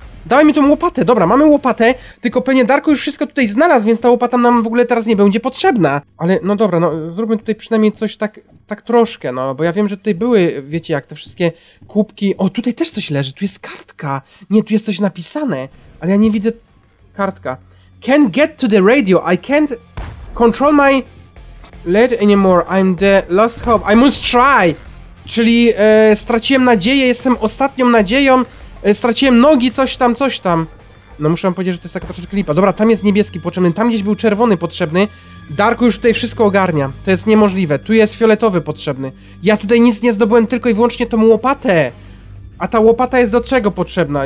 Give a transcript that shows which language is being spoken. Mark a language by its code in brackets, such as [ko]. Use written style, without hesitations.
[pl] Dawaj mi tą łopatę, dobra, mamy łopatę, tylko pewnie Darku już wszystko tutaj znalazł, więc ta łopata nam w ogóle teraz nie będzie potrzebna. Ale, no dobra, no zróbmy tutaj przynajmniej coś tak, tak troszkę, no, bo ja wiem, że tutaj były, wiecie jak, te wszystkie kubki. O, tutaj też coś leży, tu jest kartka. Nie, tu jest coś napisane, ale ja nie widzę... Kartka. [en] Can't get to the radio, I can't control my lead anymore, I'm the lost hope, I must try. [pl] Czyli straciłem nadzieję, jestem ostatnią nadzieją, straciłem nogi, coś tam. No muszę wam powiedzieć, że to jest taka troszeczkę lipa. Dobra, tam jest niebieski potrzebny, tam gdzieś był czerwony potrzebny. Darku już tutaj wszystko ogarnia, to jest niemożliwe. Tu jest fioletowy potrzebny. Ja tutaj nic nie zdobyłem, tylko i wyłącznie tą łopatę. A ta łopata jest do czego potrzebna?